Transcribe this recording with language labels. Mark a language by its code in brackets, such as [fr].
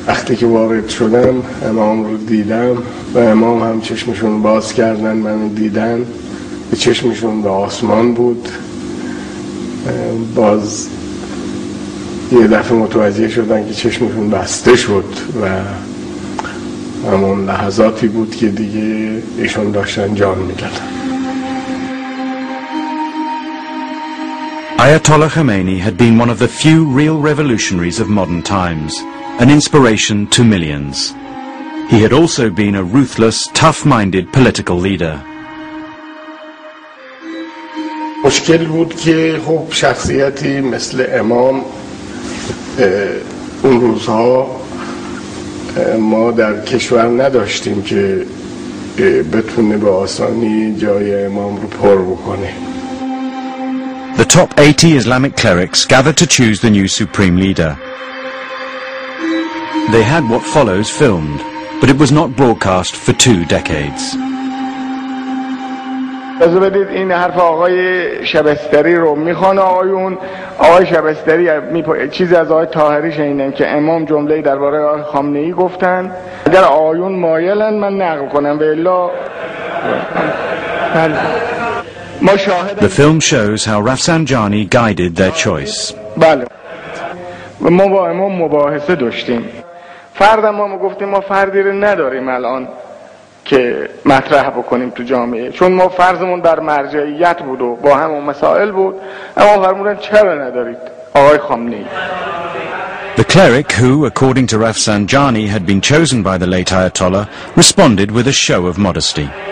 [fa] وقتی که وارد شدم امام رو دیدم و امام هم چشمشون باز کردن منو دیدن، به چشمشون به آسمان بود. باز یه دفعه متوجه شدن که چشمشون بسته شد و همون لحظاتی بود که دیگه ایشون داشتن جان می‌دادن. [en] Ayatollah Khomeini had been one of the few real revolutionaries of modern times, an inspiration to millions. He had also been a ruthless, tough-minded political leader. [fa] مشکل بود که خوب شخصیتی مثل امام اون روزها ما در کشور نداشتیم که بتونه به آسانی جای امام رو پر بکنه. [en] The top 80 Islamic clerics gathered to choose the new supreme leader. They had what follows filmed, but it was not broadcast for 2 decades. [fa] بذار بدید این حرف آقای شبستری رو میخوان آقایون. آقای شبستری چیزی از آقای طاهری شنیدن که امام جمله درباره آقای خامنه ای گفتن، اگر آقایون مایلن من نقل کنم و الا ما شاهد. [en] The film shows how Rafsanjani guided their choice. [fa] بله، ما با امام مباحثه داشتیم، فرد ما گفتیم ما فردی رو نداریم الان که مطرح بکنیم تو جامعه، چون ما فرضمون در مرجعیت بود و با همون مسائل بود. اما فرمودن چرا ندارید آقای خامنه‌ای. [en] The cleric who according to Rafsanjani had been chosen by the late Ayatollah responded with a show of modesty.